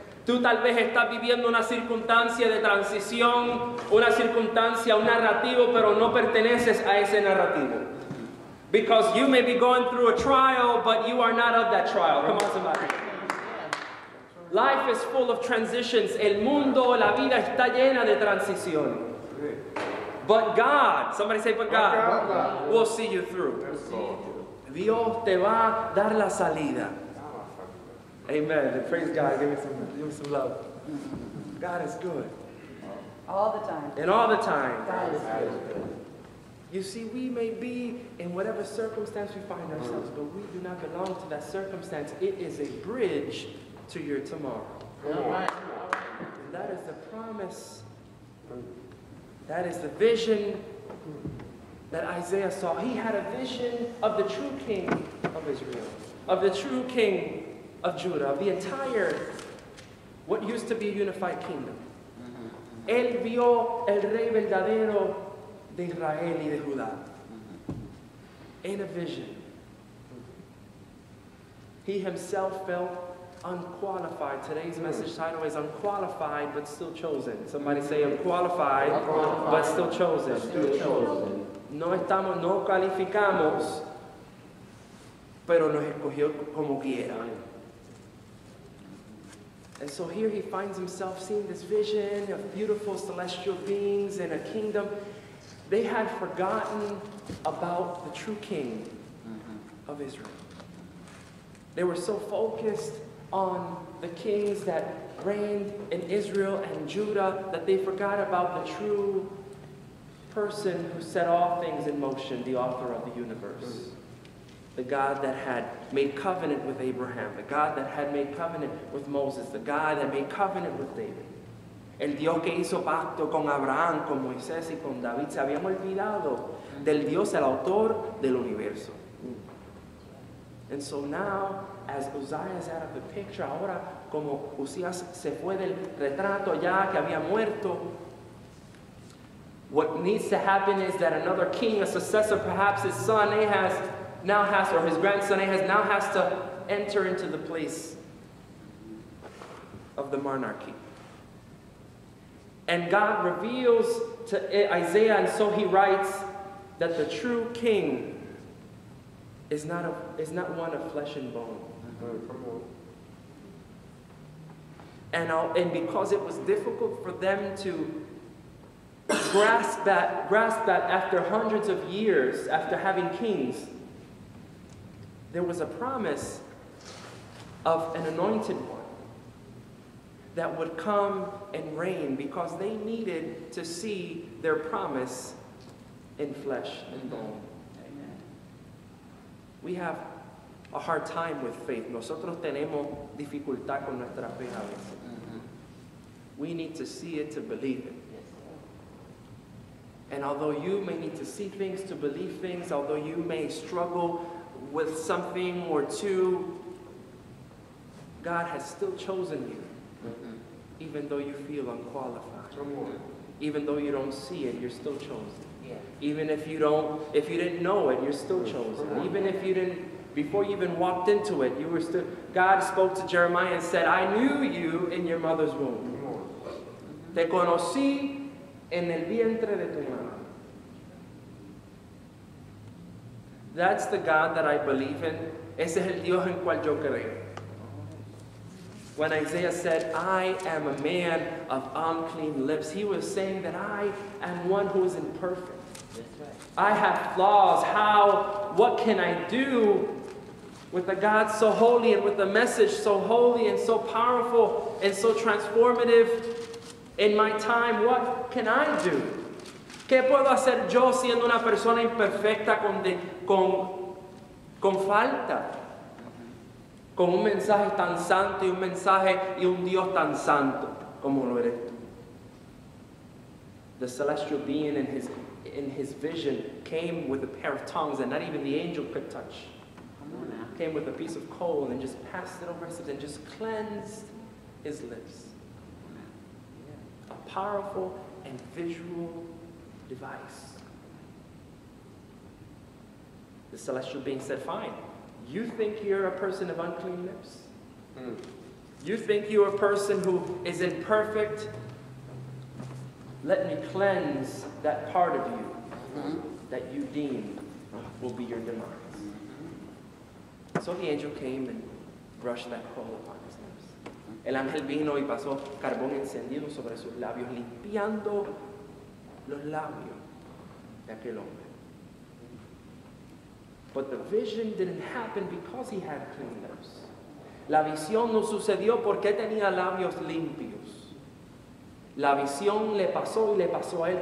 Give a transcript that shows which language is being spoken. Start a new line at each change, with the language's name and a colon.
Spanish: Tú tal vez estás viviendo una circunstancia de transición, una circunstancia, un narrativo, pero no perteneces a ese narrativo.
English: Because you may be going through a trial, but you are not of that trial. Come on, somebody. Life is full of transitions.
Spanish: El mundo, la vida está llena de transiciones.
English: But God, somebody say, but God, we'll see you through.
Spanish: Dios te va a dar la salida.
English: Amen. Praise God. Give me some love. God is good. All the time. And all the time. God is good. You see, we may be in whatever circumstance we find ourselves, but we do not belong to that circumstance. It is a bridge to your tomorrow. And that is the promise. That is the vision that Isaiah saw. He had a vision of the true king of Israel, of the true king of Judah, of the entire, what used to be a unified kingdom.
Spanish: Él vio el rey verdadero de Israel y de Judá.
English: In a vision. He himself felt unqualified. Today's message title is unqualified but still chosen. Somebody say unqualified, unqualified but still chosen. Still chosen.
Spanish: No estamos, no calificamos, pero nos escogió como quiera.
English: And so here he finds himself seeing this vision of beautiful celestial beings and a kingdom. They had forgotten about the true king of Israel. They were so focused on the kings that reigned in Israel and Judah that they forgot about the true person who set all things in motion, the author of the universe. The God that had made covenant with Abraham, the God that had made covenant with Moses, the God that made covenant with David.
Spanish: El Dios que hizo pacto con Abraham, con Moisés y con David, se habían olvidado del Dios, el autor del universo.
English: And so now, as Uzziah is out of the picture,
Spanish: ahora como Uzías se fue del retrato ya que había muerto,
English: what needs to happen is that another king, a successor, perhaps his son Ahaz, now has, or his grandson Ahaz, now has to enter into the place of the monarchy. And God reveals to Isaiah, and so he writes, that the true king is not one of flesh and bone. And because it was difficult for them to grasp that after hundreds of years, after having kings, there was a promise of an anointed one that would come and reign, because they needed to see their promise in flesh and bone. Amen. We have a hard time with faith.
Spanish: Nosotros tenemos dificultad con nuestra fe a veces.
English: We need to see it to believe it. And although you may need to see things to believe things, although you may struggle with something or two, God has still chosen you. Even though you feel unqualified, even though you don't see it, you're still chosen. Yeah. Even if you don't, if you didn't know it, you're still chosen. Even if you didn't, before you even walked into it, you were still, God spoke to Jeremiah and said, I knew you in your mother's womb.
Spanish: Te conocí en el vientre de tu madre.
English: That's the God that I believe in.
Spanish: Ese es el Dios en cual yo creo.
English: When Isaiah said, I am a man of unclean lips, he was saying that I am one who is imperfect. That's right. I have flaws. How, what can I do with a God so holy and with a message so holy and so powerful and so transformative in my time? What can I do?
Spanish: ¿Qué puedo hacer yo siendo una persona imperfecta con falta? Con un mensaje tan santo y un mensaje y un Dios tan santo como lo eres tú.
English: The celestial being in his vision came with a pair of tongs that not even the angel could touch. Came with a piece of coal and just passed it over his lips and just cleansed his lips. A powerful and visual device. The celestial being said, fine. You think you're a person of unclean lips? You think you're a person who is imperfect? Let me cleanse that part of you that you deem will be your demise. So the angel came and brushed that coal upon his lips.
Spanish: El ángel vino y pasó carbón encendido sobre sus labios, limpiando los labios de aquel hombre.
English: But the vision didn't happen because he had clean lips.
Spanish: La visión no sucedió porque tenía labios limpios. La visión le pasó y le pasó a él.